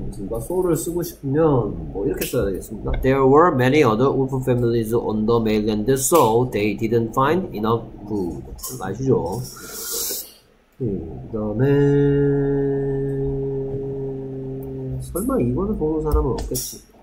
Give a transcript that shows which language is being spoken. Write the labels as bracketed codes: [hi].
[ko] 누가 so를 쓰고 싶으면 뭐 이렇게 써야 되겠습니다. [en] There were many other wolf families on the mainland, so they didn't find enough food. [ko] 아시죠? 그 다음에 설마 이거를 보는 사람은 없겠지.